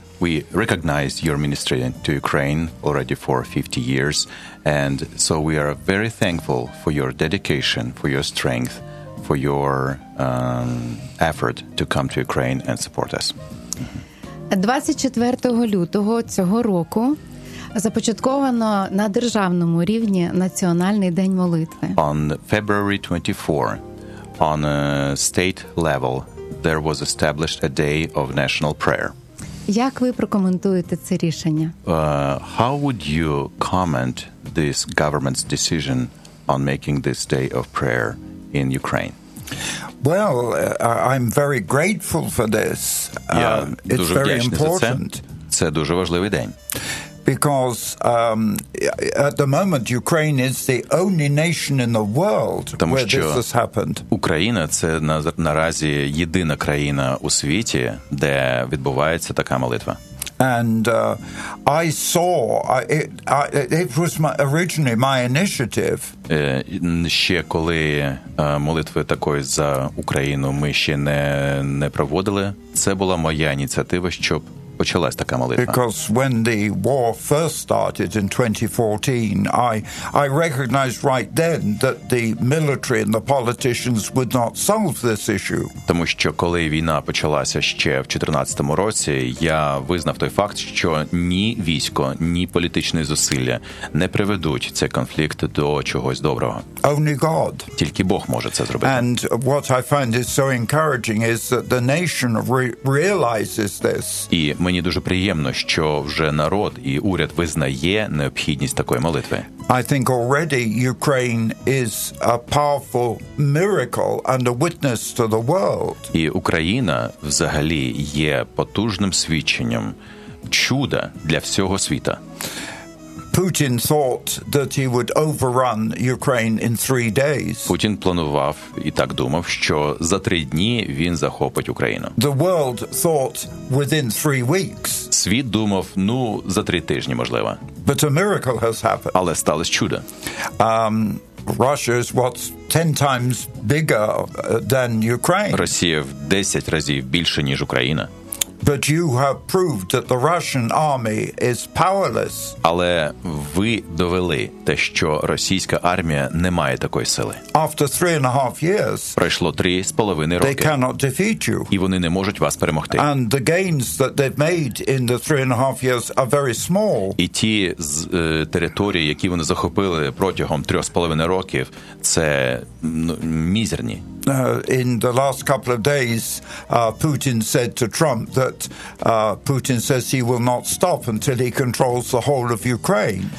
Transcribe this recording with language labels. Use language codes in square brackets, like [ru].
[en] We recognize your ministry to Ukraine already for 50 years, and so we are very thankful for your dedication, for your strength, for your effort to come to Ukraine and support us. [uk] 24 лютого цього року започатковано на державному рівні Національний день молитви. [en] On February 24, on a state level, there was established a day of national prayer. [uk] Як ви прокоментуєте це рішення? [en] How would you comment this government's decision on making this day of prayer in Ukraine? Well, I'm very grateful for this. It's very important. [uk] Це дуже важливий день. [en] Because at the moment Ukraine is the only nation in the world where this has happened. [uk] Україна це наразі єдина країна у світі, де відбувається така молитва. [en] And it was originally my initiative. [uk] Ще коли молитви такої за Україну ми ще не проводили, це була моя ініціатива, щоб почалась така молитва. [en] Because when the war first started in 2014, I recognized right then that the military and the politicians would not solve this issue. [uk] Тому що коли війна почалася ще в 14-му році, я визнав той факт, що ні військо, ні політичні зусилля не приведуть цей конфлікт до чогось доброго. [en] Only God. [uk] Тільки Бог може це зробити. [en] And what I find is so encouraging is that the nation realizes this. [uk] І мені дуже приємно, що вже народ і уряд визнає необхідність такої молитви. [en] I think already Ukraine is a powerful miracle and a witness to the world. [uk] І Україна взагалі є потужним свідченням чуда для всього світу. [en] Putin thought that he would overrun Ukraine in 3 days. [uk] Путін планував і так думав, що за 3 дні він захопить Україну. [en] The world thought within 3 weeks. [uk] Світ думав, за 3 тижні, можливо. [en] But a miracle has happened. [uk] Але сталося чудо. [en] Russia is what 10 times bigger than Ukraine. [uk] Росія в 10 разів більше, ніж Україна. [en] But you have proved that the Russian army is powerless. [uk] Але ви довели те, що російська армія не має такої сили. [en] After 3.5 years. [uk] Пройшло 3.5 роки. [en] They cannot defeat you. [uk] І вони не можуть вас перемогти. [en] And the gains that they've made in the 3.5 years are very small. [uk] І ті території, які вони захопили протягом 3.5 років, це мізерні. [en] In the last couple of days, Putin said to Trump that Putin says he will not stop until he controls the whole of Ukraine.